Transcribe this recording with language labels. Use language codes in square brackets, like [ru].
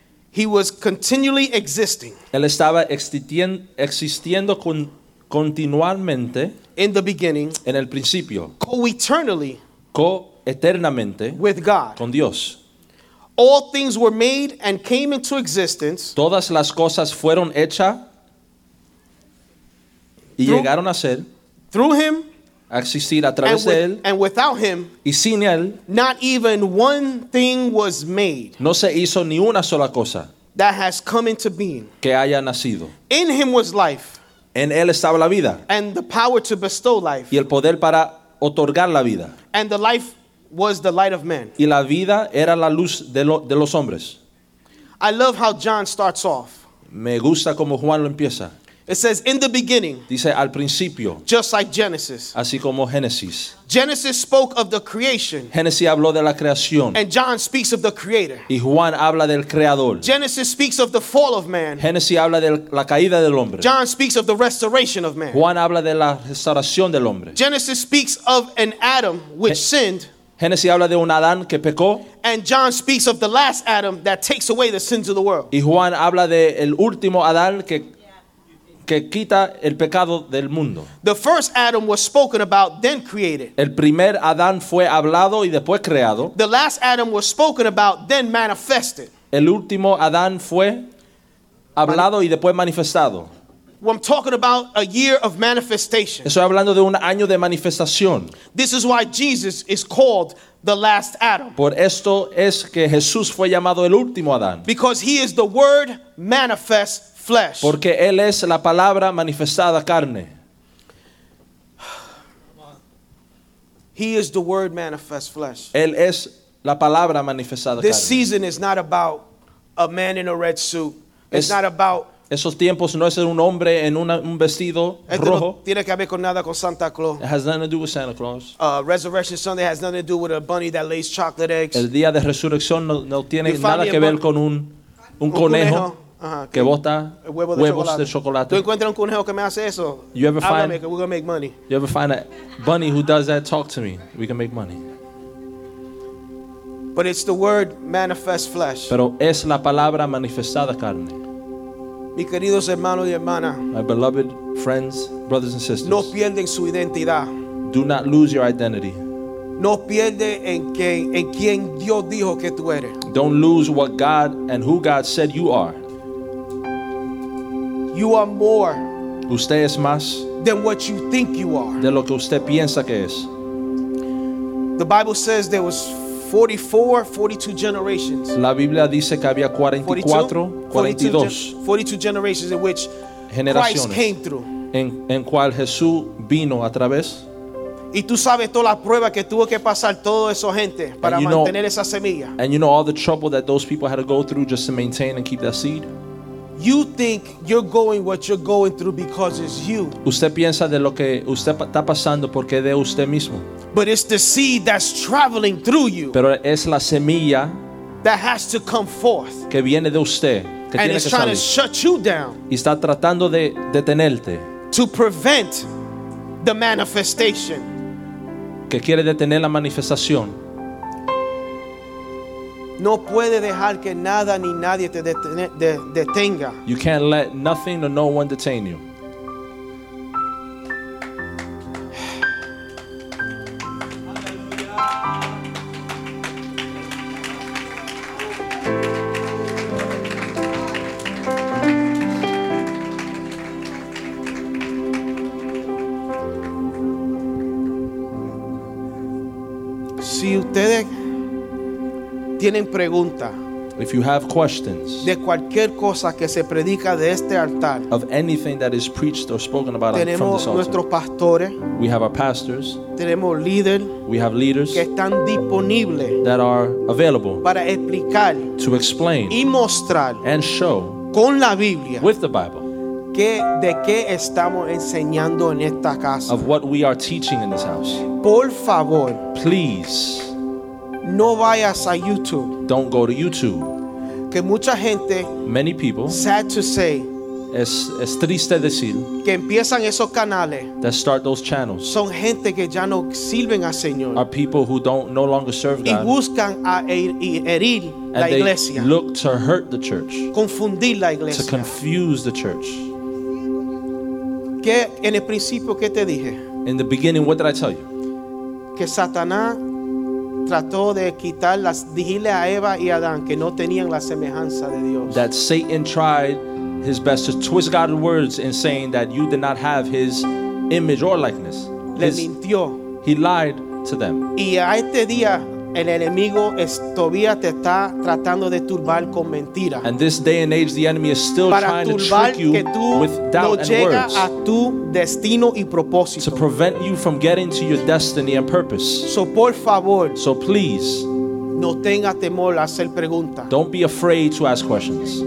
[en] He was continually existing. [es] Él estaba existiendo con continuamente. [en] In the beginning, [es] en el principio, [en] co-eternally, [es] co-eternamente, [en] with God, [es] con Dios, [en] all things were made and came into existence. [es] Todas las cosas fueron hechas y llegaron a ser. [en] Through him, [es] a existir a través de él, [en] and without him, [es] y sin él, [en] not even one thing was made. [es] No se hizo ni una sola cosa [en] that has come into being. [es] Que haya nacido. [en] In him was life. [es] En él estaba la vida. [en] And the power to bestow life. [es] Y el poder para otorgar la vida. [en] And the life was the light of men. [es] Y la vida era la luz de los hombres. [en] I love how John starts off. [es] Me gusta como Juan lo empieza. [en] It says in the beginning. [es] Dice al principio. [en] Just like Genesis. [es] Así como Génesis. [en] Genesis spoke of the creation. [es] Génesis habló de la creación. [en] And John speaks of the creator. [es] Y Juan habla del creador. [en] Genesis speaks of the fall of man. [es] Génesis habla de la caída del hombre. [en] John speaks of the restoration of man. [es] Juan habla de la restauración del hombre. [en] Genesis speaks of an Adam which sinned. [es] Génesis habla de un Adán que pecó. [en] And John speaks of the last Adam that takes away the sins of the world. [es] Y Juan habla de el último Adán que quita el pecado del mundo. [en] The first Adam was spoken about, then created. [es] El primer Adán fue hablado y después creado. [en] The last Adam was spoken about, then manifested. [es] El último Adán fue hablado y después manifestado. [en] I'm talking about a year of manifestation. [es] Estoy hablando de un año de manifestación. [en] This is why Jesus is called the last Adam. [es] Por esto es que Jesús fue llamado el último Adán. [en] Because he is the Word manifest flesh. [es] Porque él es la palabra manifestada carne. [en] He is the Word manifest flesh. [es] Él es la palabra manifestada [en] this [es] carne. [en] This season is not about a man in a red suit. It's not about [es] esos tiempos no es un hombre en un vestido rojo. No tiene que ver con nada con Santa Claus. [en] It has nothing to do with Santa Claus. Resurrection Sunday has nothing to do with a bunny that lays chocolate eggs. [es] El día de resurrección no tiene nada que ver con un conejo. Que bota huevos de chocolate. ¿Tú encuentras un conejo que me hace eso? [en] You ever find, we're gonna make money. You ever find a bunny who does that? Talk to me. We can make money. But it's the Word manifest flesh. [es] Pero es la palabra manifestada carne. Mis queridos hermanos y hermanas, [en] my beloved friends, brothers and sisters, [es] no pierden su identidad. [en] Do not lose your identity. [es] No pierde en quien Dios dijo que tú eres. [en] Don't lose what God and who God said you are. You are more. [es] Usted es más [en] than what you think you are. [es] De lo que usted piensa que es. [en] The Bible says there was 42 generations. [es] La Biblia dice que había 44, 42. [en] 42 generations in which [es] generaciones [en] Christ came through. [es] En cual Jesús vino a través. Y tú sabes toda la prueba que tuvo que pasar todo eso gente para mantener esa semilla. [en] And you know all the trouble that those people had to go through just to maintain and keep that seed. You think you're going what you're going through because it's you. [es] Usted piensa de lo que usted está pasando porque de usted mismo. [en] But it's the seed that's traveling through you. [es] Pero es la semilla [en] that has to come forth. [es] Que viene de usted. Que [en] and [es] tiene [en] it's [es] que [en] trying [es] salir. [en] To shut you down. [es] Y está tratando de detenerte. [en] To prevent the manifestation. [es] Que quiere detener la manifestación. No puede dejar que nada ni nadie te detenga. [en] You can't let nothing or no one detain you. [es] Si ustedes tienen pregunta. [en] If you have questions. [es] De cualquier cosa que se predica de este altar. [en] Of anything that is preached or spoken about from this altar. [es] Tenemos nuestros pastores. [en] We have our pastors. [es] Tenemos líderes. [en] We have leaders. [es] Que están disponibles. [en] That are available. [es] Para explicar. [en] To explain. [es] Y mostrar. [en] And show. [es] Con la Biblia. [en] With the Bible. [es] Que de qué estamos enseñando en esta casa. [en] Of what we are teaching in this house. [es] Por favor. [en] Please. [es] No vayas a YouTube. [en] Don't go to YouTube. [es] Que mucha gente, [en] many people, sad to say, [es] es triste decir, que empiezan esos canales, [en] that start those channels, [es] son gente que ya no sirven al Señor, [en] are people who don't no longer serve God, [es] y buscan a herir la iglesia, [en] and they look to hurt the church, [es] confundir la iglesia, [en] to confuse the church. [es] Que en el principio qué te dije? [en] In the beginning, what did I tell you? [es] Que Satanás trató de quitar las dijile a Eva y Adán que no tenían la semejanza de Dios. [en] That Satan tried his best to twist God's words in saying that you did not have his image or likeness. [es] Le mintió. [en] He lied to them. [es] Y a este día el enemigo todavía te está tratando de turbar con mentira. [en] And this day and age the enemy is still trying to trick you with doubt [es] no [en] and words [es] a tu destino y propósito. [en] To prevent you from getting to your destiny and purpose. [es] So por favor, [en] so please, [es] no tenga temor a hacer preguntas. [en] Don't be afraid to ask questions.